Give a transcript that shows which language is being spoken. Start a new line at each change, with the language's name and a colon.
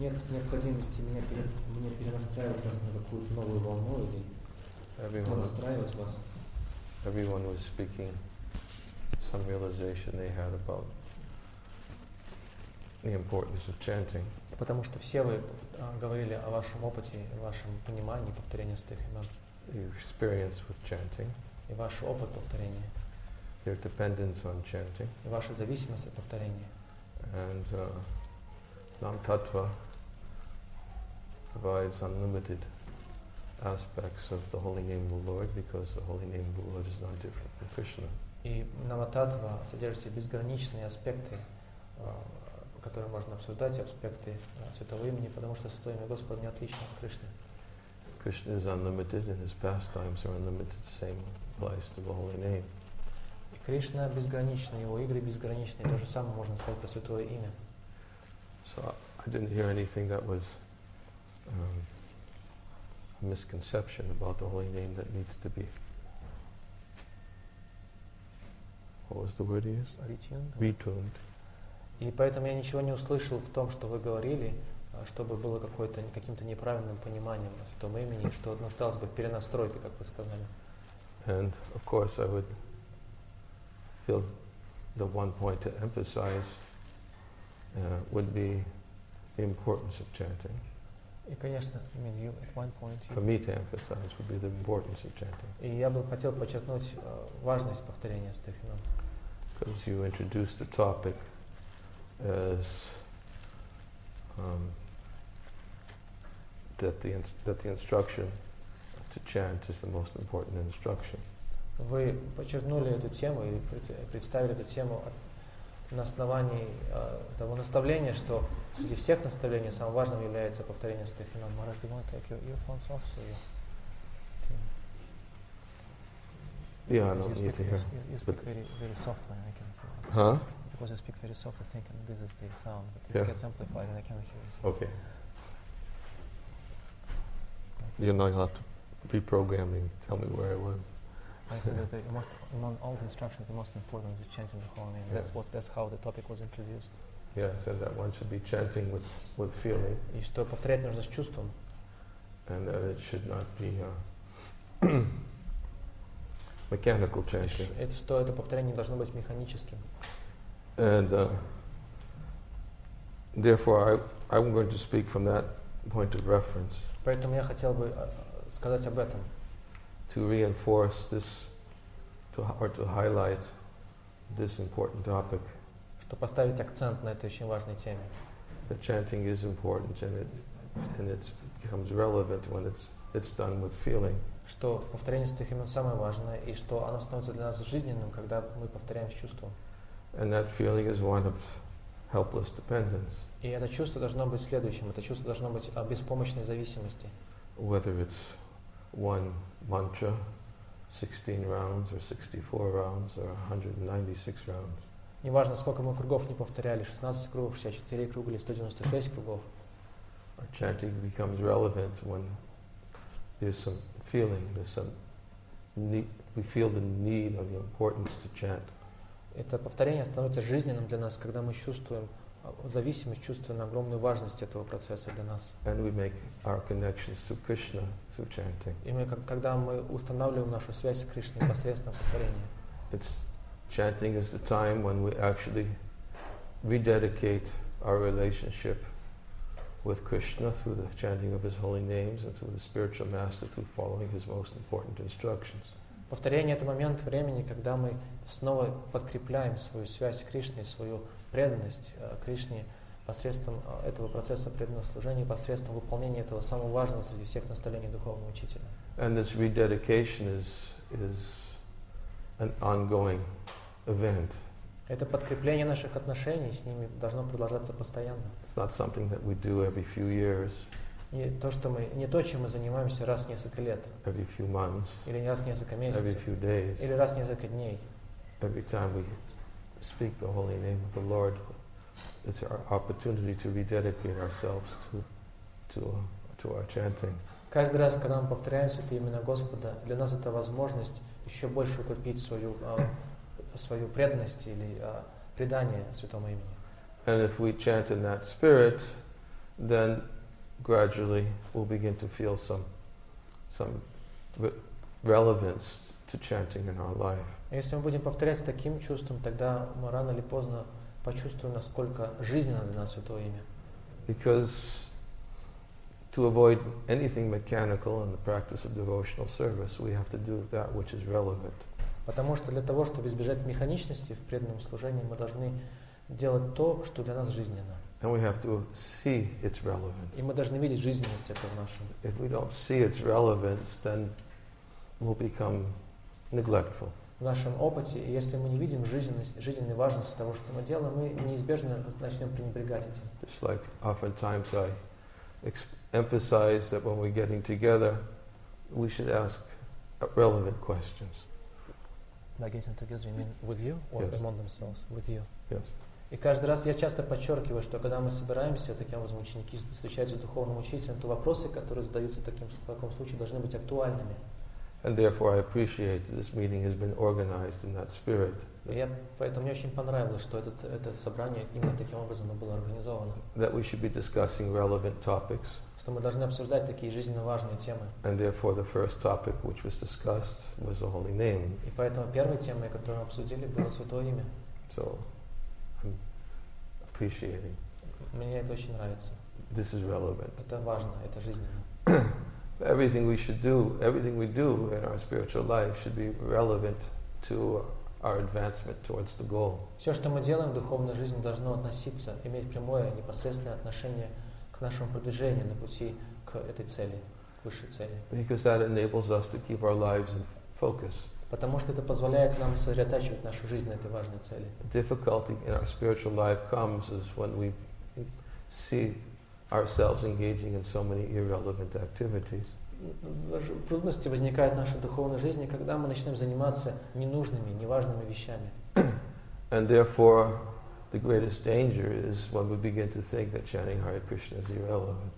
Russian: Нет необходимости мне перенастраивать вас на какую-то новую волну или перенастраивать вас.
English: Everyone was speaking some realization they had about the importance of chanting.
Russian: Потому что все вы говорили о вашем опыте, вашем понимании повторения святых имен.
English: Your experience with chanting.
Russian: И ваш опыт повторения.
English: Your dependence on chanting.
Russian: И ваша зависимость от повторения.
English: And Nam Tattva provides unlimited aspects of the holy name of the Lord because the holy name of the Lord is not different from Krishna.
Russian: И Nam Tattva содержит в себе безграничные аспекты, которые можно обсуждать, аспекты Святого Имени, потому что Святое Имя Господа не отлично от Кришны.
English: Krishna is unlimited and his pastimes are unlimited, same applies to the holy name.
Russian: Кришна безграничный, его игры безграничны, то же самое можно сказать про Святое Имя.
English: So I didn't hear anything that was a misconception about the Holy Name that needs to be what was the word he used? Retuned. Retuned.
Russian: И поэтому я ничего не услышал в том, что вы говорили, чтобы было какое-то каким-то неправильным пониманием в том имени, что нуждалось бы в перенастройке, как вы сказали.
English: And of course I would feel the one point to emphasize would be the importance of chanting.
Russian: И, конечно,
English: I mean, you, at one point, for me to emphasize would be the importance of chanting.
Russian: И я бы хотел подчеркнуть важность повторения стихинам.
English: Because you introduced the topic as that the instruction to chant is the most important instruction.
Russian: Вы подчеркнули эту тему и представили эту тему на основании того наставления, что среди всех наставлений самым важным является повторение стихина.
English: Maharaj, do you want to take your earphones off? So you can... Yeah, I don't need to hear. You speak very, very soft when I can hear. Huh? Because I speak very soft, I think, and this is the sound, but this gets amplified and I can't hear it. Okay. You know, you'll have to reprogram me, tell me where I was. I said that the most, among all the instructions, the most important is chanting the whole name. Yeah. That's how the topic was introduced. Yeah, I said that one should be chanting with feeling.
Russian: И что повторять нужно с чувством.
English: And that it should not be mechanical chanting.
Russian: Это что это повторение должно быть механическим.
English: And therefore, I'm going to speak from that point of reference.
Russian: Поэтому я хотел бы сказать об этом.
English: To reinforce this, to highlight this important topic.
Russian: Чтобы поставить акцент на этой очень важной теме.
English: The chanting is important, and it becomes relevant when it's done with feeling.
Russian: Что повторение стих имен самое важное, и что оно становится для нас жизненным, когда мы повторяем с чувством.
English: And that feeling is one of helpless dependence.
Russian: И это чувство должно быть следующим. Это чувство должно быть о беспомощной зависимости.
English: Whether it's one mantra, 16 rounds, or 64 rounds, or 196 rounds.
Russian: Неважно, сколько мы кругов не повторяли, 16 кругов, 64 круга или 196 кругов.
English: Our chanting becomes relevant when there's some feeling, there's some need, we feel the need or the importance to chant.
Russian: Это повторение становится жизненным для нас, когда мы чувствуем зависимость, чувствуем огромную важность этого процесса для нас.
English: And we make our connections to Krishna through chanting.
Russian: И мы, когда мы устанавливаем нашу связь с Кришной посредством повторения.
English: It's chanting is the time when we actually rededicate our relationship with Krishna through the chanting of His holy names and through the spiritual master through following His most important instructions.
Russian: Повторение — это момент времени, когда мы снова подкрепляем свою связь с Кришной, свою преданность Кришне посредством этого процесса преданного служения, посредством выполнения этого самого важного среди всех наставлений духовного учителя.
English: And this rededication is an ongoing event.
Russian: Это подкрепление наших отношений с ними должно продолжаться постоянно.
English: It's not something that we do every few years.
Russian: Не то, чем мы занимаемся раз в несколько лет.
English: Every few months.
Russian: Или раз в несколько месяцев.
English: Every few days.
Russian: Или раз в несколько дней.
English: Every time we speak the holy name of the Lord, it's our opportunity to rededicate ourselves to our chanting.
Russian: Каждый раз, когда мы повторяем святые имена Господа, для нас это возможность еще больше укрепить свою преданность или предание святому имени.
English: And if we chant in that spirit, then gradually we'll begin to feel some relevance to chanting in our life.
Russian: Если мы будем повторять с таким чувством, тогда мы рано или поздно почувствуем, насколько жизненно для нас святое имя.
English: Because to avoid anything mechanical in the practice of devotional service, we have to do that which is relevant.
Russian: Потому что для того, чтобы избежать механичности в преданном служении, мы должны делать то, что для нас жизненно.
English: And we have to see its relevance.
Russian: И мы должны видеть жизненность этого нашего.
English: If we don't see its relevance, then we'll become neglectful.
Russian: В нашем опыте, если мы не видим жизненной важности того, что мы делаем, мы неизбежно начнем пренебрегать этим.
English: Just like oftentimes I emphasize that when we're getting together, we should ask relevant questions. By getting together, you mean with you or yes. Among themselves? With you. Yes.
Russian: И каждый раз я часто подчеркиваю, что когда мы собираемся, таким образом ученики встречаются с духовным учителем, то вопросы, которые задаются в таком случае, должны быть актуальными.
English: And therefore I appreciate that this meeting has been organized in that spirit.
Russian: Я поэтому мне очень понравилось, что это собрание именно таким образом было организовано.
English: That we should be discussing relevant topics.
Russian: Что мы должны обсуждать такие жизненно важные темы.
English: And therefore the first topic which was discussed was the holy name.
Russian: И поэтому первой темой, которую мы обсудили, было святое имя.
English: So I'm appreciating.
Russian: Мне это очень нравится.
English: This is relevant.
Russian: Это важно, это жизненно.
English: Everything we should do, everything we do in our spiritual life should be relevant to our advancement towards the goal.
Russian: Все, что мы делаем в духовной жизни, должно относиться, иметь прямое, непосредственное отношение к нашему продвижению на пути к этой цели, к высшей цели.
English: Because that enables us to keep our lives in focus.
Russian: Потому что это позволяет нам сосредотачивать нашу жизнь на этой важной цели.
English: Difficulty in our spiritual life comes is when we see ourselves engaging in so many irrelevant activities.
Russian: Трудности возникают в нашей духовной жизни, когда мы начинаем заниматься ненужными, неважными вещами.
English: And therefore, the greatest danger is when we begin to think that chanting Hare Krishna is irrelevant.